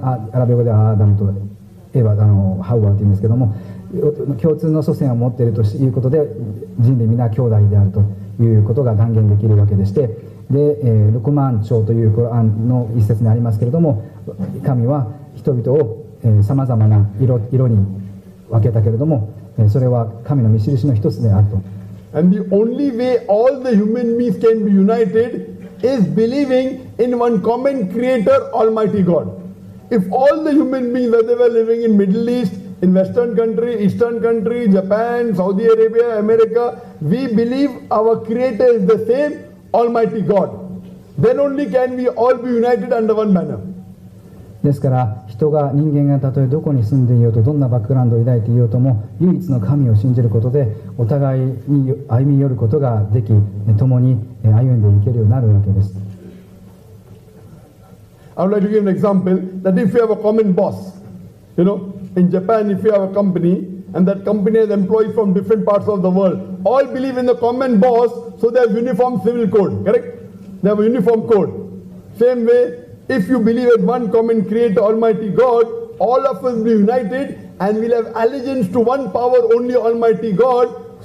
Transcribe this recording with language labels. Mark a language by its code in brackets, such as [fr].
[ja] アラビア語ではアダムとエヴァ、ハウアというんですけども、共通の祖先を持っているということで、人類皆兄弟であるということが断言できるわけでして。で、ルクマン朝というコランの一節にありますけれども、神は人々をさまざまな 色に分けたけれども、それは神の見印の一つであると。 [en] And the only way all the human beings can be united is believing in one common creator, Almighty God. If all the human beings, whether they were living in Middle East, in Western country, Eastern country, Japan, Saudi Arabia, America, we believe our creator is the sameAlmighty God. Then only can we all be united under one banner. [ja] ですから、人間がたとえどこに住んでいようと、どんなバックグラウンドを抱いていようとも、唯一の神を信じることで、お互いに歩み寄ることができ、共に歩んでいけるようになるわけです。 [en] I would like to give an example that if you have a common boss, in Japan, if you have a company, and that company has employees from different parts of the world, all believe in the common boss. So they have uniform civil code, correct? They have a uniform code. Same way, if you believe in one common creator, Almighty God, all of us will be united and we'll have allegiance to one power, only Almighty God.